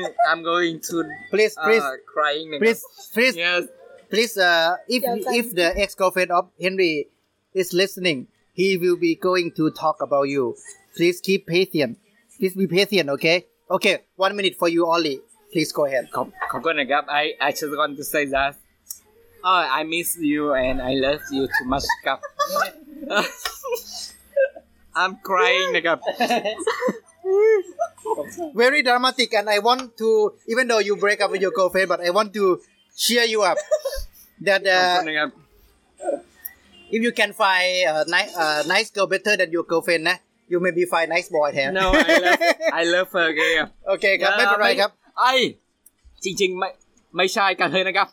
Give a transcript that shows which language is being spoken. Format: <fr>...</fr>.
<en>I'm going to please crying please yes please if the ex girlfriend of Henry is listening, he will be going to talk about you. Please keep patient, please be patient. Okay 1 minute for you only, please go ahead.</en> <th>ขอบคุณนะครับ</th> <en>I just want to say that I miss you and I love you too much</en> <th>ครับ</th> <en>I'm crying</en> <th>นะครับ</th> <en>Very dramatic, and I want to, even though you break up with your girlfriend, but I want to cheer you up that if you can find a nice girl better than your girlfriend, nah, you maybe find nice boy here. No, I love her. Okay, yeah.</en> <th>Okay, ครับ ไม่เป็นไรครับ ไอ้ จริงๆ ไม่ใช่กันเลยนะครับ</th>